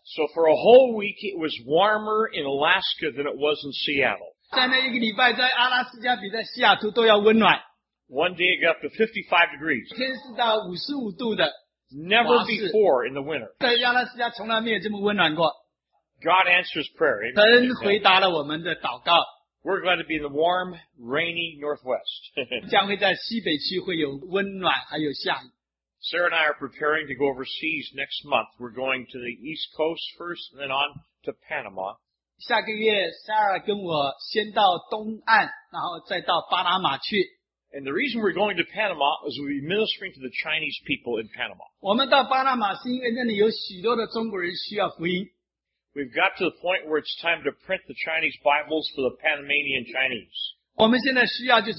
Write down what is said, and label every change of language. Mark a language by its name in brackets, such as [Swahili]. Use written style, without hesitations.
[English] So for a whole week, it was warmer in Alaska than it was in Seattle. [Chinese] 在那一个礼拜，在阿拉斯加比在西雅图都要温暖。 [English] One day it got up to 55 degrees. [Chinese] 天是到55度的。 [English] Never before in the winter. [Chinese] 在阿拉斯加从来没有这么温暖过。 [English] God answers prayer. Amen. [Chinese] 神回答了我们的祷告。 [English] We're going to be in the warm, rainy Northwest. [Chinese] 将会在西北区会有温暖，还有下雨。 [English] Sarah and I are preparing to go overseas next month. We're going to the East Coast first, and then on to Panama. [Chinese] 下个月 Sarah 跟我先到东岸，然后再到巴拿马去。 [English] And the reason we're going to Panama is we'll be ministering to the Chinese people in Panama. [Chinese] 我们到巴拿马是因为那里有许多的中国人需要福音。 [English] We've got to the point where it's time to print the Chinese Bibles for the Panamanian Chinese.